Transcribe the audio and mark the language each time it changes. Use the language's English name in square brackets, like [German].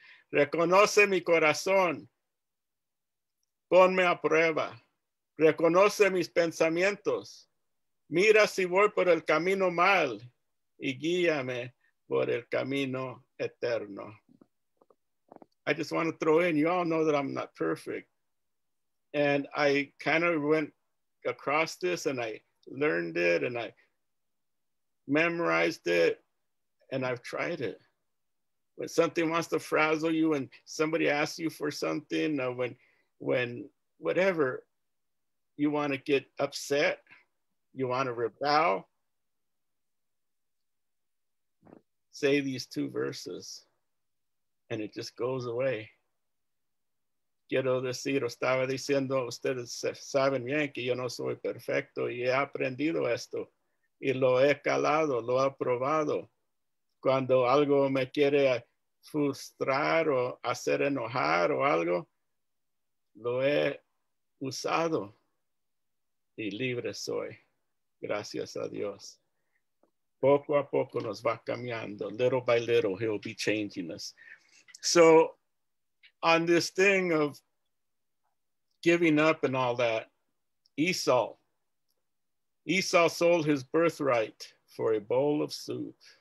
[Spanish] Reconoce mi corazón. Ponme a prueba. Reconoce mis pensamientos. Mira si voy por el camino mal y guíame por el camino eterno. [English] I just want to throw in, you all know that I'm not perfect. And I kind of went across this and I learned it and I memorized it and I've tried it. When something wants to frazzle you and somebody asks you for something, or when whatever, you want to get upset, you want to rebel, say these two verses. And it just goes away. [Spanish] Quiero decir, estaba diciendo, ustedes saben bien que yo no soy perfecto y he aprendido esto y lo he calado, lo he probado. Cuando algo me quiere frustrar o hacer enojar o algo, lo he usado y libre soy, gracias a Dios. Poco a poco nos va cambiando. [English] Little by little, he'll be changing us. So on this thing of giving up and all that, Esau sold his birthright for a bowl of soup.